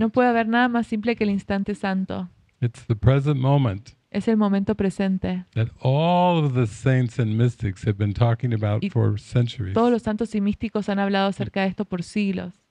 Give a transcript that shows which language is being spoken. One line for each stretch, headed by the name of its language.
Spanish: No puede haber nada más simple que el instante santo.
English: It's the present moment.
Spanish: Es el momento presente.
English: That all of the saints and mystics have been talking about for centuries.
Spanish: Todos los santos y místicos han hablado acerca de esto por siglos.